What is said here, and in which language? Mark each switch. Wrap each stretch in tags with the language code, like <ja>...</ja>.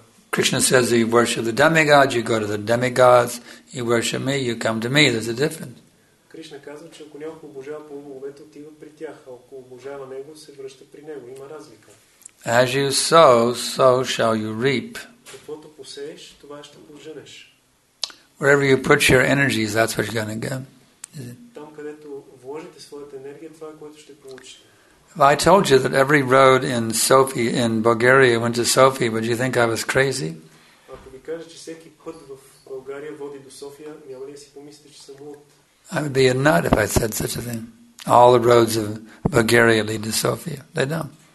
<en>Krishna says you worship the demigods, you go to the demigods, you worship me, you come to me. There's a difference.</en> <bg>Кришна казва, че ако някой обожава половете, отива при тях, а ако обожава него, се връща при него. Има разлика.</bg> <en>As you sow, so shall you reap.</en> <bg>Каквото посееш, това ще пожънеш.</bg> <en>Wherever you put your energies, that's what you're going to get.</en> <bg>Там, където вложите своята енергия, това е което ще получите.</bg> <en>If I told you that every road in Sofia, in Bulgaria, went to Sofia, would you think I was crazy?</en> <bg>Ако ви кажа, че всеки път в България води до София, няма ли да си помислите, че съм луд?</bg> <en>I would be a nut if I said such a thing. All the roads of Bulgaria lead to Sofia. They don't.</en>